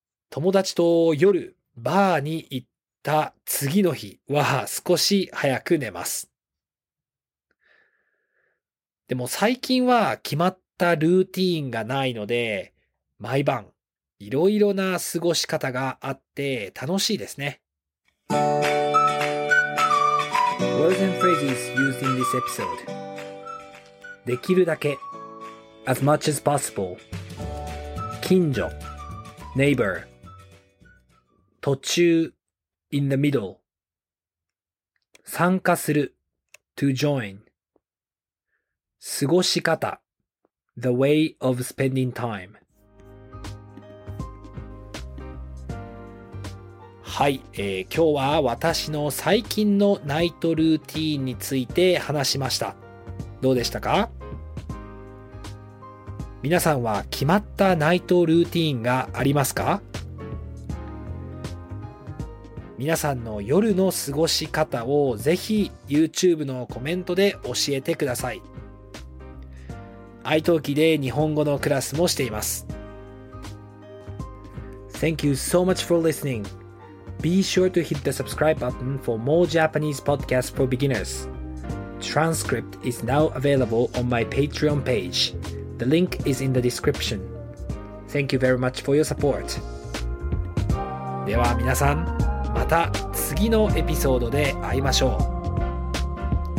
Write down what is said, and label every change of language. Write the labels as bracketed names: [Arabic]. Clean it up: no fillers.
[Japanese] 友達と夜バーに行った次の日は少し早く寝ます。でも最近は決まったルーティーンがないので、毎晩いろいろな過ごし方があって楽しいですね。 [English] Words and phrases used in this episode. できるだけ as much as possible. 近所 neighbor. 途中 in the middle. 参加する to join. 過ごし方 The way of spending time。 [Japanese] はい、今日は私の最近のナイトルーティーンについて話しました。どうでしたか？皆さんは決まったナイトルーティーンがありますか？皆さんの夜の過ごし方をぜひ YouTube のコメントで教えてください。 iTalki で日本語のクラスもしています。 [English] Thank you so much for listening. Be sure to hit the subscribe button for more Japanese podcasts for beginners. Transcript is now available on my Patreon page. The link is in the description. Thank you very much for your support. [Japanese] では皆さん、また次のエピソードで会いましょう。